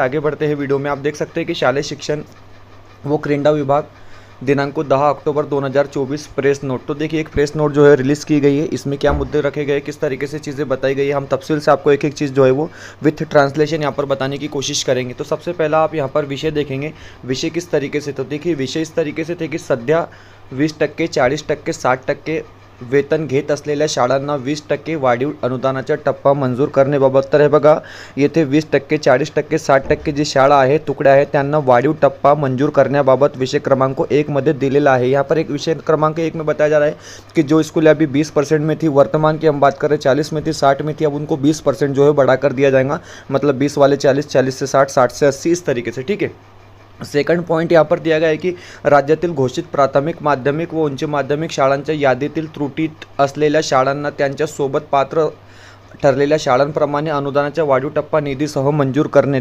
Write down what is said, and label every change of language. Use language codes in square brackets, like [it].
[hi] आगे बढ़ते हैं वीडियो में। आप देख सकते हैं कि शालेय शिक्षण वो क्रेंडा विभाग दिनांक 10 अक्टूबर 2024 प्रेस नोट। तो देखिए, एक प्रेस नोट जो है रिलीज़ की गई है, इसमें क्या मुद्दे रखे गए, किस तरीके से चीज़ें बताई गई है, हम तफसील से आपको एक एक चीज़ जो है वो विथ ट्रांसलेशन यहाँ पर बताने की कोशिश करेंगे। तो सबसे पहला आप यहाँ पर विषय देखेंगे, विषय किस तरीके से। तो देखिए, विषय इस तरीके से थे कि [mr] सध्या 20%, 40%, 60% वेतन घेत असलेल्या शाळांना 20% वाढीव अनुदानाचा टप्पा मंजूर करण्याबाबत। तर हे बघा, येथे 20%, 40%, 60% जी शाळा आहे, तुकड्या आहेत, त्यांना वाढीव टप्पा मंजूर करण्याबाबत विषय क्रमांक 1 मध्ये दिलेला आहे। [hi] यहाँ पर एक विषय क्रमांक 1 में बताया जा रहा है कि जो स्कूल अभी 20% में थी, वर्तमान की हम बात करें 40% में थी, 60% में थी, अब उनको 20% जो है बढ़ाकर दिया जाएगा, मतलब 20 वाले 40, 40 से 60, 60 से 80, इस तरीके से। ठीक है, सेकंड पॉइंट यहाँ पर दिया गया है कि [mr] राज्यातील घोषित प्राथमिक माध्यमिक व उच्च माध्यमिक शाळांच्या यादीतील त्रुटीत असलेल्या शाळांना त्यांच्या सोबत पात्र ठरलेल्या शाळांप्रमाणे अनुदानाच्या वाढीव टप्पा निधीसह मंजूर करणे।